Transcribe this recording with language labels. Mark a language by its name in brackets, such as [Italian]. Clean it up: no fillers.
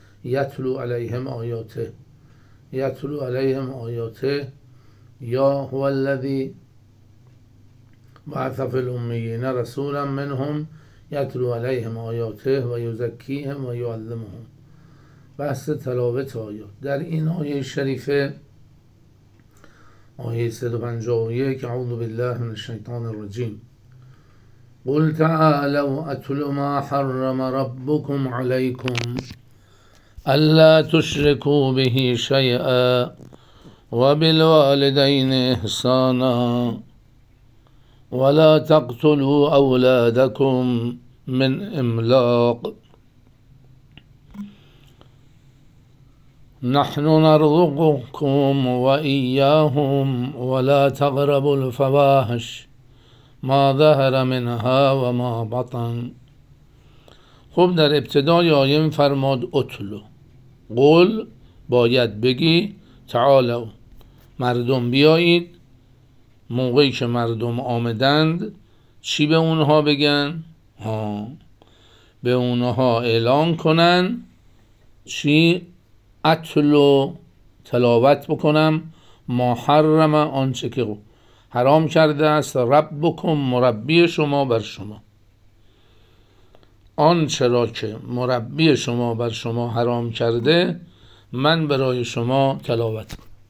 [Arabic] یتلو علیهم آیاته، یتلو علیهم آیاته، یا هو الذی بعث فی الامیین رسولا منهم یتلو علیهم آیاته و یزکیهم و یعلمهم. [Persian] بحث تلاوت آیات در این آیه شریفه، آیه 151، [Arabic] اعوذ بالله من الشیطان الرجیم. قل تعالوا اتل ما حرم ربكم عليكم الا تشركوا به شيئا وبالوالدين احسانا ولا تقتلوا اولادكم من املاق نحن نرزقكم واياهم ولا تقربوا الفواحش ما ظهر منها و ما بطن. [Persian] خب در ابتدای آیه فرماد اتلو، قول باید بگی، تعالو مردم بیایید. موقعی که مردم آمدند چی به اونها بگن؟ ها، به اونها اعلان کنن چی؟ اتلو، تلاوت بکنم، ما حرم، آنچه که حرام کرده است، ربکم، مربی شما بر شما، آن چرا که مربی شما بر شما حرام کرده من برای شما تلاوت کنم.